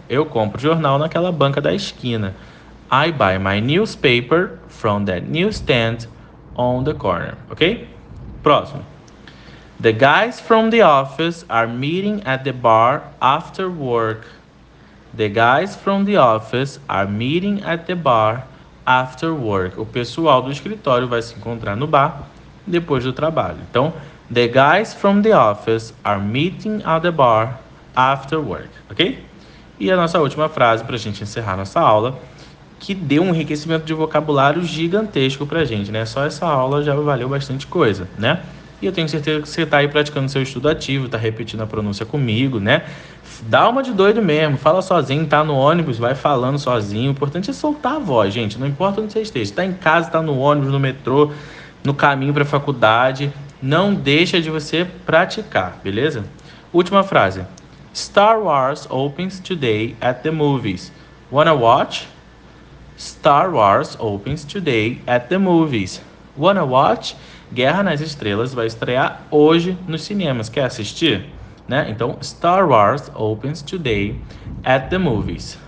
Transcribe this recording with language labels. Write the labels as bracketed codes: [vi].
[pt] Eu compro jornal naquela banca da esquina. [en] I buy my newspaper from the newsstand on the corner. Ok? [pt] Próximo. [en] The guys from the office are meeting at the bar after work. The guys from the office are meeting at the bar after work. [pt] O pessoal do escritório vai se encontrar no bar depois do trabalho. Então, [en] the guys from the office are meeting at the bar after work, ok? [pt] E a nossa última frase para a gente encerrar nossa aula, que deu um enriquecimento de vocabulário gigantesco para a gente, né? Só essa aula já valeu bastante coisa, né? E eu tenho certeza que você está aí praticando seu estudo ativo, está repetindo a pronúncia comigo, né? Dá uma de doido mesmo, fala sozinho, tá no ônibus, vai falando sozinho. O importante é soltar a voz, gente. Não importa onde você esteja, está em casa, está no ônibus, no metrô, no caminho para a faculdade. Não deixa de você praticar, beleza? Última frase. [en] Star Wars opens today at the movies. Wanna watch? Star Wars opens today at the movies. Wanna watch? [pt] Guerra nas Estrelas vai estrear hoje nos cinemas. Quer assistir? Né? Então, [en] Star Wars opens today at the movies.